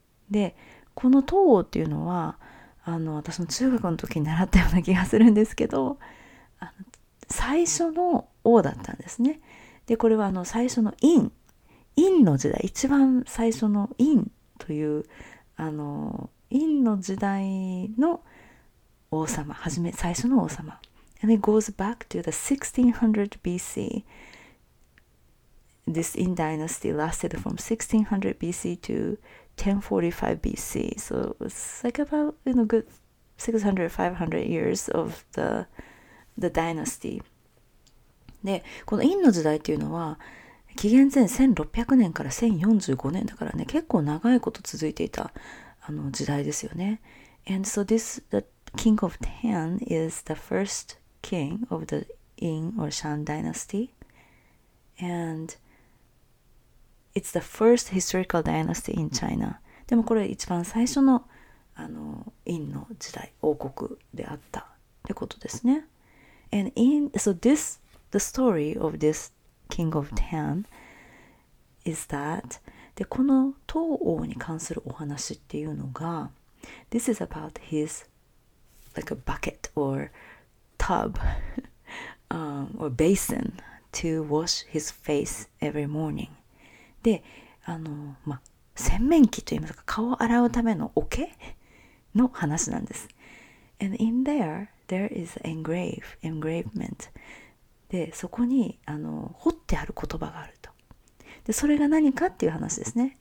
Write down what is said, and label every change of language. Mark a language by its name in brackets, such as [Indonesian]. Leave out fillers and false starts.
[Japanese] で、この唐王っていうのは、あの、私も中学の時に習ったような気がするんですけど、あの、最初の王だったんですね。で、これはあの最初の陰、陰の時代、一番最初の陰という、あの、陰の時代の王様、はじめ、最初の王様。 [English] And it goes back to the 1600 BC. This Yin dynasty lasted from 1600 BC to 1045 BC. So it's like about, you know, good 600-500 years of the dynasty. [Japanese] で、この陰の時代っていうのは、紀元前1600年から1045年だからね、結構長いこと続いていたあの時代ですよね。 [English] And so this, the king of Tang is the firstKing of the Yin or Shang Dynasty, and it's the first historical dynasty in China. [Japanese] でもこれ一番最初のあの陰の時代、王国であったってことですね。 [English] And in so this the story of this King of Tang is that [Japanese] でこの唐王に関するお話っていうのが、 [English] This is about his like a bucket or tub or basin to wash his face every morning. [Japanese] で、あの、まあ、洗面器といいますか、顔を洗うための桶の話なんです。 [English] And in there, there is engravement. [Japanese] で、そこにあの彫ってある言葉があると。で、それが何かっていう話ですね。